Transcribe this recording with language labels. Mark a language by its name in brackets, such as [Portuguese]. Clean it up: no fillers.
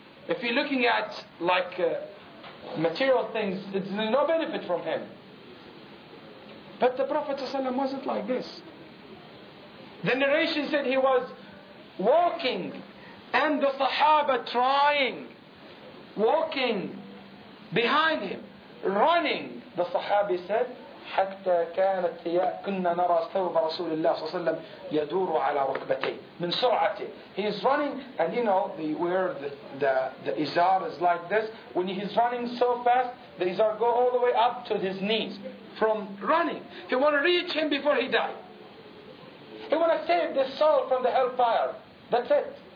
[English] If you're looking at like material things, there's no benefit from him. But the Prophet ﷺ wasn't like this. The narration said he was walking and the Sahaba trying, walking behind him, running. The Sahabi said, [Arabic] حَتَّى كَانَتْ كُنَّا نَرَى ثَوْبَ رَسُولِ اللَّهِ صَلَّى اللَّهِ عَلَيْهِ وَسَلَّمَ يَدُورُ عَلَى رُكْبَتَيْهِ مِنْ سُرْعَتِهِ. [English] He is running, and you know, the where the izar is like this. When he is running so fast, the izar go all the way up to his knees from running. He want to reach him before he die. He want to save this soul from the hellfire. That's it.